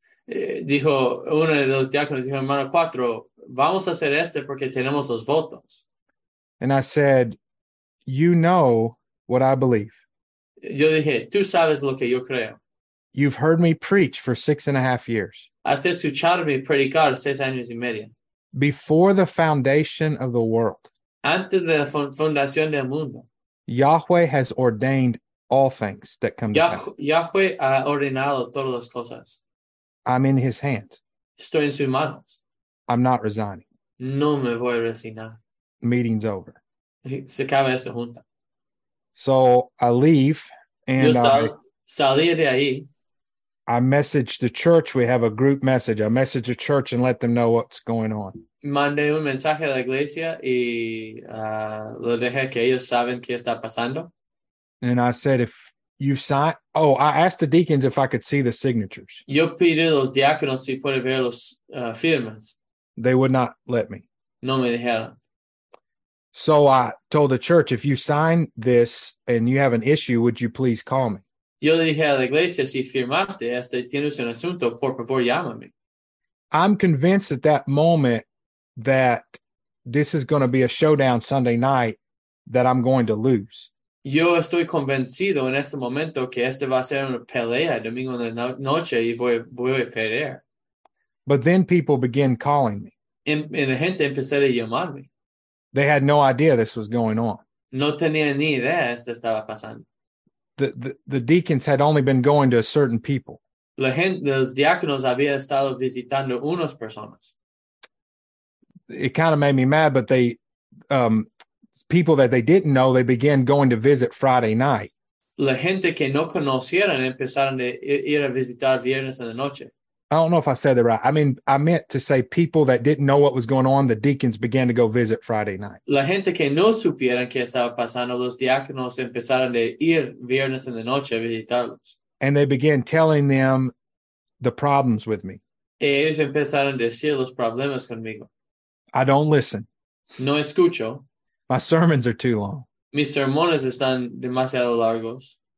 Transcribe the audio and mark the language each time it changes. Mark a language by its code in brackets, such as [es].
[es] Dijo uno de los diáconos, dijo, hermano Quattro, vamos a hacer este porque tenemos los votos. [en] And I said, you know what I believe. [es] Yo dije, tú sabes lo que yo creo. [en] You've heard me preach for 6.5 years. [es] Has escuchado mi predicar 6 años y medio. [en] Before the foundation of the world. [es] Antes de la fundación del mundo. [en] Yahweh has ordained all things that come to pass. [es] Yahweh ha ordenado todas las cosas. [en] I'm in his hands. [es] Estoy en sus manos. [en] I'm not resigning. [es] No me voy a resignar. [en] Meeting's over. [es] Se acaba esta junta. [en] So I leave. And [es] salí de ahí. [en] I message the church. We have a group message. I message the church and let them know what's going on. [es] Mandé un mensaje a la iglesia y lo dejé que ellos saben qué está pasando. [en] And I said, if you sign... Oh, I asked the deacons if I could see the signatures. [es] Yo pedí a los diáconos si pueden ver las firmas. [en] They would not let me. [es] No me dejaron. [en] So I told the church, if you sign this and you have an issue, would you please call me? [es] Yo le dije a la iglesia, si firmaste este, tienes un asunto, por favor, llámame. [en] I'm convinced at that moment that this is going to be a showdown Sunday night that I'm going to lose. [es] Yo estoy convencido en este momento que este va a ser una pelea domingo en la noche y voy a perder. [en] But then people begin calling me. [es] Y la gente empezó a llamarme. [en] They had no idea this was going on. [es] No tenía ni idea esto estaba pasando. [en] The deacons had only been going to certain people. [es] La gente, los diáconos había estado visitando unas personas. [en] It kind of made me mad, but they, people that they didn't know, they began going to visit Friday night. [es] La gente que no conocieron empezaron a ir a visitar viernes en la noche. [en] I don't know if I said that right. I mean, I meant to say people that didn't know what was going on, the deacons began to go visit Friday night. [es] La gente que no supieran qué estaba pasando, los diáconos empezaron a ir viernes en la noche a visitarlos. [en] And they began telling them the problems with me. [es] Y ellos empezaron a decir los problemas conmigo. [en] I don't listen. [es] No escucho. [en] My sermons are too long. [es] Mis sermones están demasiado largos.